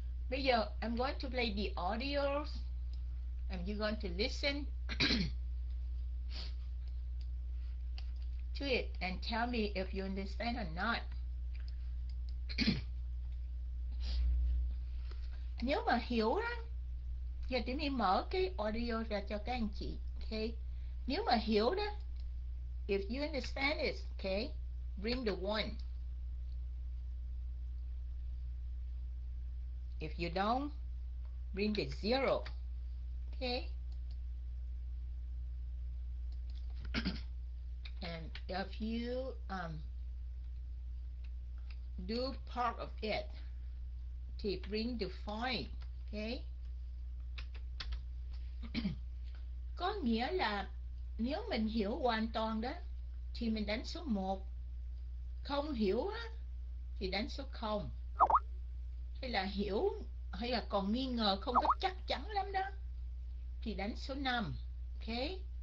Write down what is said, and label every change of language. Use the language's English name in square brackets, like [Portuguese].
[Vietnamese] Bây giờ [English] I'm going to play the audio and you're going to listen to it and tell me if you understand or not. [Vietnamese] Nếu mà hiểu á, giờ tụi mình mở cái audio ra cho các anh chị, okay? Nếu mà hiểu đó, [English] if you understand it, okay, bring the one. If you don't, bring the zero. Okay? And if you do part of it, to bring the five. Okay? [Vietnamese] Có nghĩa là nếu mình hiểu hoàn toàn đó, thì mình đánh số 1. Không hiểu á, thì đánh số 0. Hay là hiểu hay là còn nghi ngờ không có chắc chắn lắm đó thì đánh số 5. Okay.